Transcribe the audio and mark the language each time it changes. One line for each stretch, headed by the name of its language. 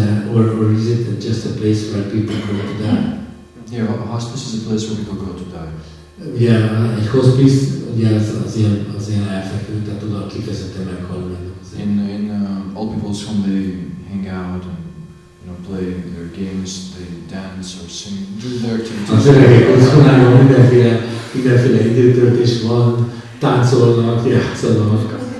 English: Or is it just a place where people go to die? Yeah, a hospice is a place where people go to die. Yeah, a hospice,
Hungarian: az ilyen elfekvő, tehát oda kifejezetten meghalni mennek.
English: In old people's home, they hang out and play their games, they dance or sing, do their activities.
Hungarian: Az öregek otthonában mindenféle időtöltés van, táncolnak, játszanak,